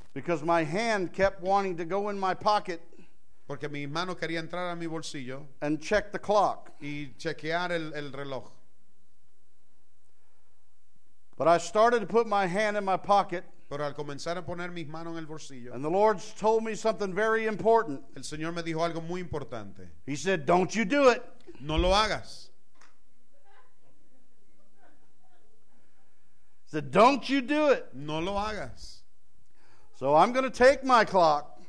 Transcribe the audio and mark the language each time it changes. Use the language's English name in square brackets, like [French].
[English] Because my hand kept wanting to go in my pocket. [Spanish] Porque mi mano quería entrar a mi bolsillo. [English] And check the clock. [Spanish] Y chequear el reloj. [English] But I started to put my hand in my pocket. [Spanish] Pero al comenzar a poner mis manos en el bolsillo. [English] And the Lord told me something very important. [Spanish] El Señor me dijo algo muy importante. [English] He said, "Don't you do it." [Spanish] No lo hagas. [English] Said, "Don't you do it." [Spanish] No lo hagas. [English] So I'm going to take my clock.